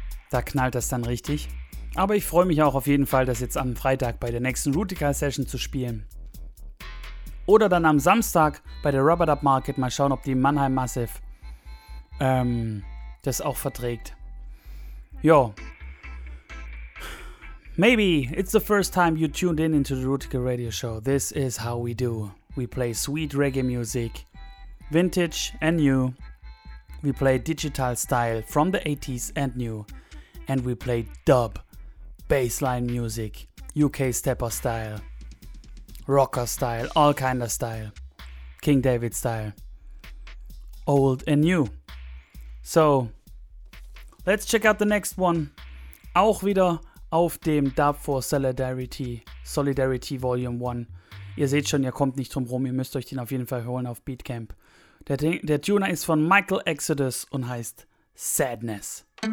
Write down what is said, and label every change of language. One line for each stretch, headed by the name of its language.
German: Da knallt das dann richtig. Aber ich freue mich auch auf jeden Fall, das jetzt am Freitag bei der nächsten Rootikal Session zu spielen. Oder dann am Samstag bei der Rubber Dub Market mal schauen, ob die Mannheim Massive das auch verträgt. Jo.
English: Maybe it's the first time you tuned in into the Rootikal Radio Show. This is how we do. We play sweet reggae music, vintage and new. We play digital style from the 80s and new. And we play dub, bassline music, UK stepper style, rocker style, all kind of style, King David style, old and new. So, let's check out the next one.
German: Auch wieder auf dem Dub for Solidarity, Solidarity Volume 1. Ihr seht schon, ihr kommt nicht drum rum, ihr müsst euch den auf jeden Fall holen auf Beatcamp. Der Tuner ist von Michael Exodus und heißt Sadness.